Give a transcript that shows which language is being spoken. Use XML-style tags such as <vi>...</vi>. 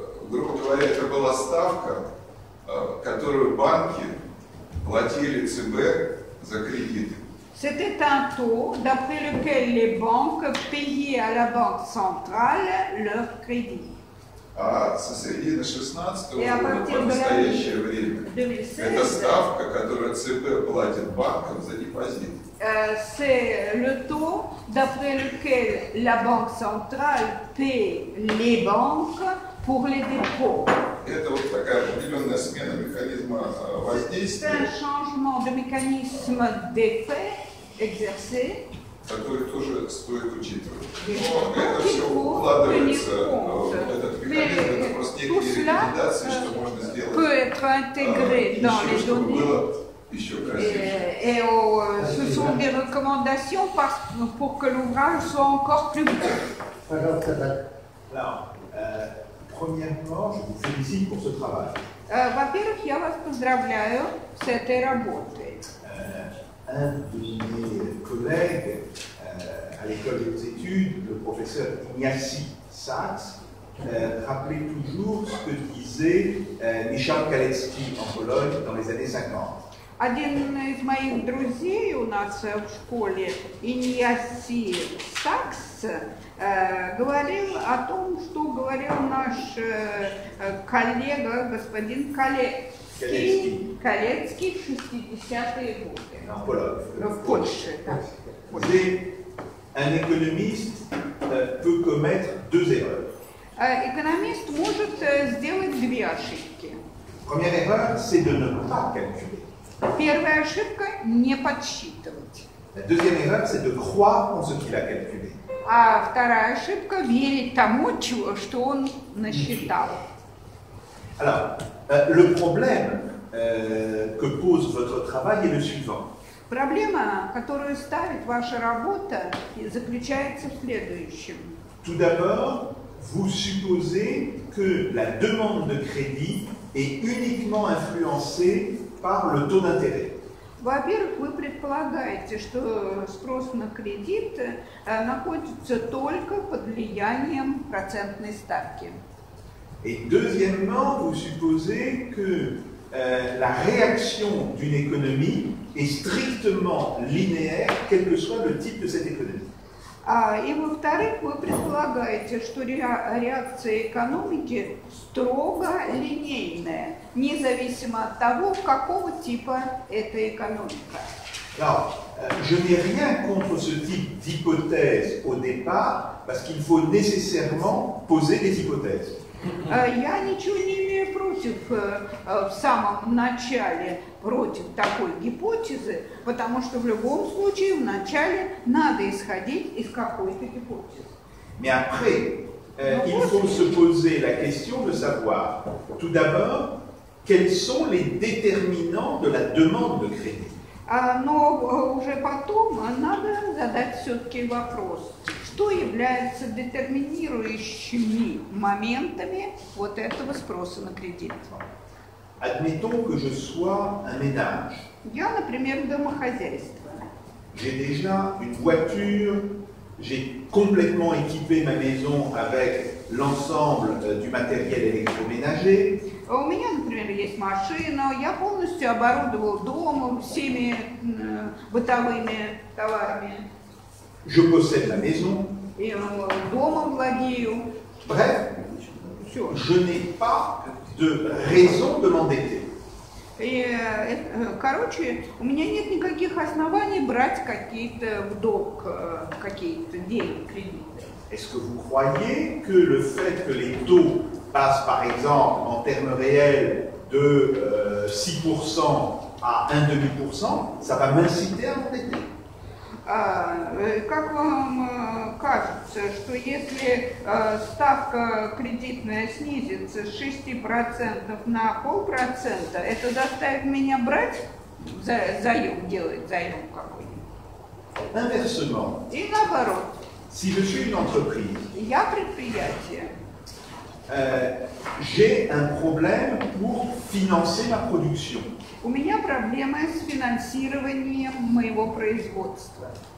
<ru>Грубо говоря, это была ставка, которую банки платили ЦБ за кредиты.</ru> <fr>C'était un taux d'après lequel les banques payaient à la banque centrale leur crédit.</fr> <ru>А со середины 16-го года по настоящее время 2016, это ставка, которую ЦБ платит банкам за депозиты.</ru> <fr>C'est le taux d'après lequel la banque centrale paye les banques pour les dépôts.</fr> <ru>Это вот такая определенная смена механизма воздействия.</ru> <fr>C'est un changement de mécanisme d'effet exercé.</fr> <ru>Который тоже стоит учитывать. Но это все укладывается в этот механизм. Это просто некие рекомендации, что можно сделать. Еще чтобы было еще красивее.</ru> <fr>Et ce sont des recommandations pour que l'ouvrage soit encore plus beau. Alors, premièrement, je vous félicite pour ce travail.</fr> <ru>Во-первых, я вас поздравляю с этой работой.</ru> <fr>Un de mes collègues à l'école des études, le professeur Ignacy Sachs, rappelait toujours ce que disait Michał Kalecki en Pologne dans les années 50.</fr> <ru>Один из моих друзей у нас в школе, Иньяси Сакс, говорил о том, что говорил наш коллега, господин Калецкий в 60-е годы. В Польше, да.</ru> <fr>Un économiste peut commettre deux erreurs.</fr> <ru>Экономист может сделать две ошибки.</ru> <fr>Première erreur, c'est de ne pas calculer.</fr> <ru>Первая ошибка – не подсчитывать.</ru> <fr>La deuxième erreur, c'est de croire en ce qu'il a calculé.</fr> <ru>А вторая ошибка – верить тому, что он насчитал.</ru> <fr>Alors, le problème que pose votre travail est le suivant.</fr> <ru>Проблема, которую ставит ваша работа, заключается в следующем.</ru> <fr>Tout d'abord, vous supposez que la demande de crédit est uniquement influencée par le taux d'intérêt.</fr> <ru>Во-первых, вы предполагаете, что спрос на кредит находится только под влиянием процентной ставки.</ru> <fr>Et deuxièmement, vous supposez que la réaction d'une économie est strictement linéaire, quel que soit le type de cette économie.</fr> <ru>И во-вторых, вы предполагаете, что реакция экономики строго линейная, независимо от того, какого типа эта экономика.</ru> <fr>Alors, je n'ai rien contre ce type d'hypothèse au départ, parce qu'il faut nécessairement poser des hypothèses.</fr> <ru>Я ничего не имею против в самом начале против такой гипотезы, потому что в любом случае в начале надо исходить из какой-то гипотезы.</ru> <fr>Mais après, il faut se poser la question de savoir, tout d'abord, Quels sont les déterminants de la demande de crédit?</fr> <ru>Но уже потом надо задать все-таки вопрос, что является детерминирующими моментами вот этого спроса на кредит.</ru> <fr>Admettons que je sois un ménage.</fr> <ru>Я, например, домохозяйство.</ru> <fr>J'ai déjà une voiture, j'ai complètement équipé ma maison avec l'ensemble du matériel électroménager.</fr> <ru>У меня, например, есть машина, я полностью оборудовал дом всеми бытовыми товарами.</ru> <fr>Je possède la maison.</fr> <ru>И домом владею.</ru> <fr>Bref,</fr> <ru>все.</ru> <fr>Je n'ai pas de raison de m'endetter.</fr> <ru>И, короче, у меня нет никаких оснований брать какие-то в долг, какие-то деньги, кредиты.</ru> <fr>Est-ce que vous croyez que le fait que les taux passent, par exemple, en termes réels de 6% à 1,5%, ça va m'inciter à m'endetter?</fr> <ru>Как вам кажется, что если ставка кредитная снизится с 6% на 0,5%, это заставит меня брать заем, делать заем какой-нибудь?</ru> <fr>Inversement.</fr> <ru>И наоборот.</ru> <fr>Si je suis une entreprise,</fr> <ru>я предприятие.</ru> <fr>J'ai un problème pour financer ma production.</fr> <ru>У меня проблемы с финансированием моего производства.</ru>